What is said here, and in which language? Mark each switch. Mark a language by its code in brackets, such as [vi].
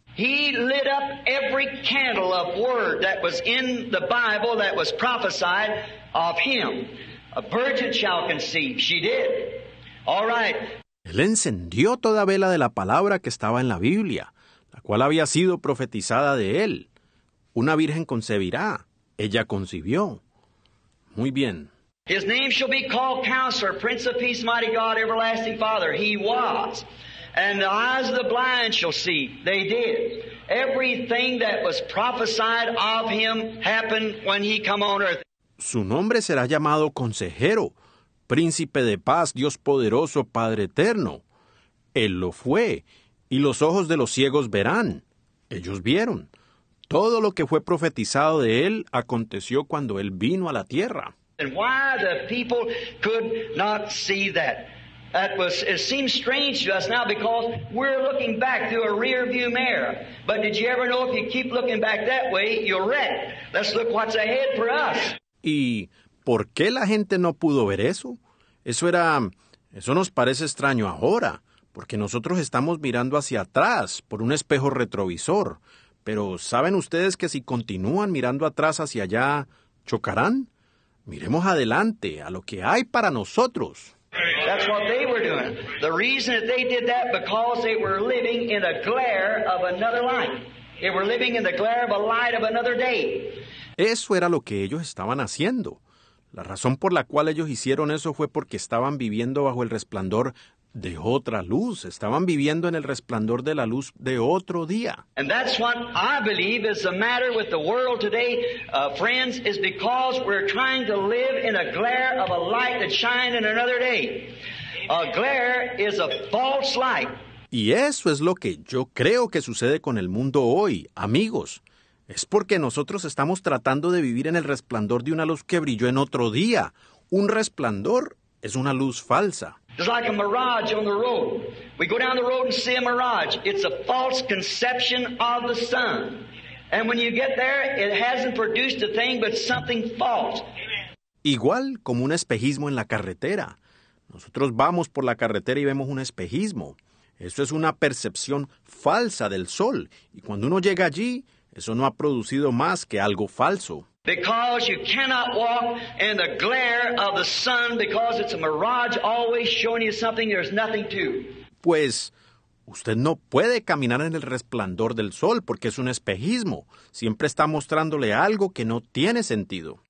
[en] He lit up every candle of word that was in the Bible that was prophesied of him. A virgin shall conceive. She did. All right. [es] Él encendió toda vela de la palabra que estaba en la Biblia, la cual había sido profetizada de él. Una virgen concebirá. Ella concibió. Muy bien. [en] His name shall be called Counselor, Prince of Peace, Mighty God, Everlasting Father. He was. And the eyes of the blind shall see. They did. Everything that was prophesied of him happened when he came on earth. [es] Su nombre será llamado Consejero, Príncipe de Paz, Dios Poderoso, Padre Eterno. Él lo fue, y los ojos de los ciegos verán. Ellos vieron. Todo lo que fue profetizado de él aconteció cuando él vino a la tierra. [en] And why the people could not see that? It seems strange to us now because we're looking back through a rear view mirror. But did you ever know if you keep looking back that way, you're wrecked? Let's look what's ahead for us. [es] ¿Y por qué la gente no pudo ver eso? Eso nos parece extraño ahora, porque nosotros estamos mirando hacia atrás por un espejo retrovisor. Pero ¿saben ustedes que si continúan mirando atrás hacia allá, chocarán? Miremos adelante a lo que hay para nosotros. [en] That's what they were doing. The reason that they did that because they were living in a glare of another light. They were living in the glare of a light of another day. [es] Eso era lo que ellos estaban haciendo. La razón por la cual ellos hicieron eso fue porque estaban viviendo bajo el resplandor de otra luz. Estaban viviendo en el resplandor de la luz de otro día. [en] And that's what I believe is the matter with the world today, friends, is because we're trying to live in a glare of a light that shines in another day. A glare is a false light. [es] Y eso es lo que yo creo que sucede con el mundo hoy, amigos. Es porque nosotros estamos tratando de vivir en el resplandor de una luz que brilló en otro día. Un resplandor es una luz falsa. [en] It's like a mirage on the road. We go down the road and see a mirage. It's a false conception of the sun. And when you get there, it hasn't produced a thing but something false. [es] Igual como un espejismo en la carretera. Nosotros vamos por la carretera y vemos un espejismo. Eso es una percepción falsa del sol. Y cuando uno llega allí, eso no ha producido más que algo falso. [en] Because you cannot walk in the glare of the sun because it's a mirage always showing you something there's nothing to. [es] Pues usted no puede caminar en el resplandor del sol porque es un espejismo. Siempre está mostrándole algo que no tiene sentido.